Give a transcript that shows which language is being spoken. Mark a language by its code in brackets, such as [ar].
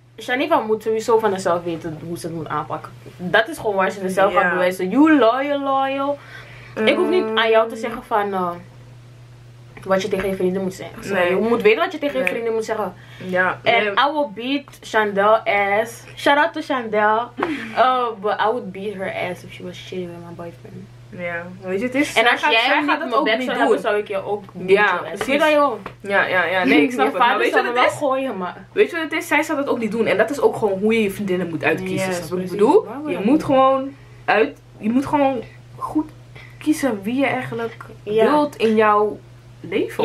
[nl] Shaniva moet sowieso van zichzelf weten hoe ze het moet aanpakken. Dat is gewoon waar ze zichzelf gaat bewijzen. [en] You loyal. [nl] Ik hoef niet aan jou te zeggen van wat je tegen je vrienden moet zeggen. Nee. Je moet weten wat je tegen je vrienden moet zeggen. Ja. En [en] I will beat Chandel ass. Shout out to Chandel. but I would beat her ass if she was shitty with my boyfriend. [nl] Ja, weet je het is? En als jij gaat het ook niet doen, zou ik je ook [en] beat her ass. [nl] Ja, nee, ik snap het. Weet je wat het is? Gooien, maar. Weet je wat het is? Zij zou dat ook niet doen. En dat is ook gewoon hoe je je vriendinnen moet uitkiezen. Yes, dat is wat ik bedoel. Je moet gewoon je moet gewoon goed kiezen wie je eigenlijk wilt in jouw leven.